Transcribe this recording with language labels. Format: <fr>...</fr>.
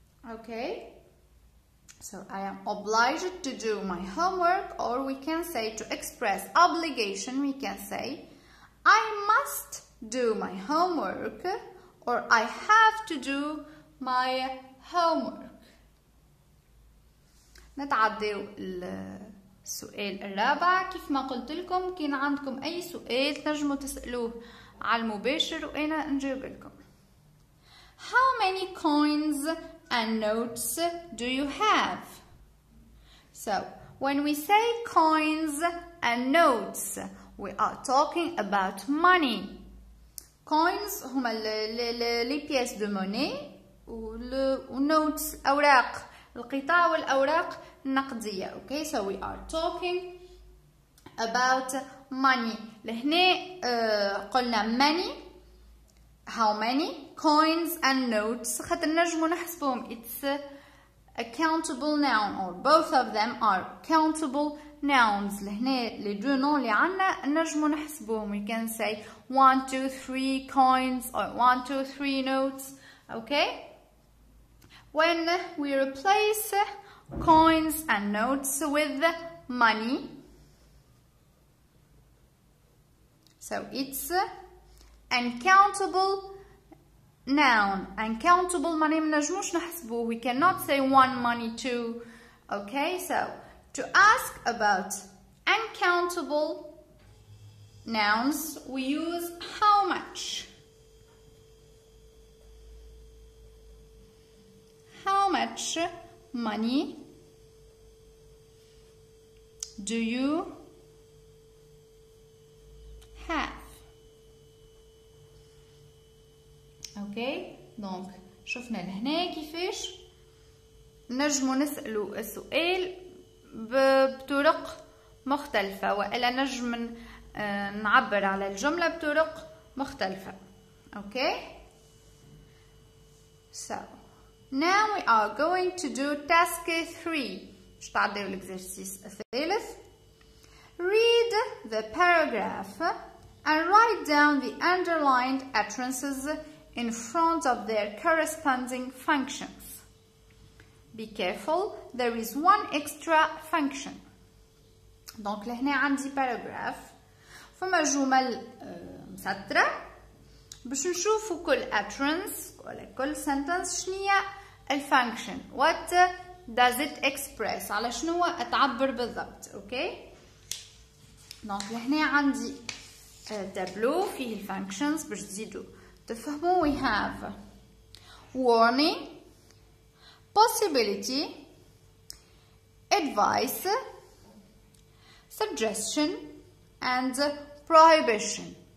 <en>Okay, so I am obliged to do my homework, or we can say to express obligation, we can say I must do my homework, or I have to do my homework.</en> <ar>نتعديو السؤال الرابع. كيف ما قلت لكم كان عندكم أي سؤال تنجموا تسألوه على المباشر وأنا نجيب لكم.</ar> <en>How many coins and notes do you have? So when we say coins and notes, we are talking about money.</en> <ar>Coins هما لي بياس دو موني و notes أوراق القطع والأوراق النقدية.</ar> <en>Okay, so we are talking about money.</en> <ar>لهنا قلنا money.</ar> <en>How many coins and notes</en> <ar>خاطر نجمو نحسبهم.</ar> <en>It's a countable noun, or both of them are countable nouns.</en> <ar>لهنا لي دو نون لي عنا نجمو نحسبهم.</ar> <en>We can say 1, 2, 3 coins, or 1, 2, 3 notes. Okay, when we replace coins and notes with money, so it's uncountable noun. Uncountable money</en> <ar>منجموش نحسبو.</ar> <en>We cannot say 1, 2. Okay, so to ask about uncountable nouns, we use how much. How much money do you have?</en> <ar>Okay, donc شفنا لهنا كيفاش نجمو نسألو السؤال بطرق مختلفة، وإلا نجم نعبر على الجملة بطرق مختلفة.</ar> <en>Okay, so now we are going to do task 3.</en> <ar>نبداو الاكزرسيس الثالث.</ar> <en>Read the paragraph and write down the underlined utterances in front of their corresponding functions. Be careful, there is one extra function.</en> <ar>دونك لهنا عندي paragraph فما جمل مسطرة باش نشوفو كل utterance ولا كل sentence شنية الفانكشن.</ar> <en>What does it express؟</en> <ar>على شنو اتعبر بالضبط؟ اوكي، دونك لهنا عندي تابلو فيه الفانكشنز باش تزيدو تفهمو.</ar> <en>We have warning, possibility, advice, suggestion and prohibition.</en>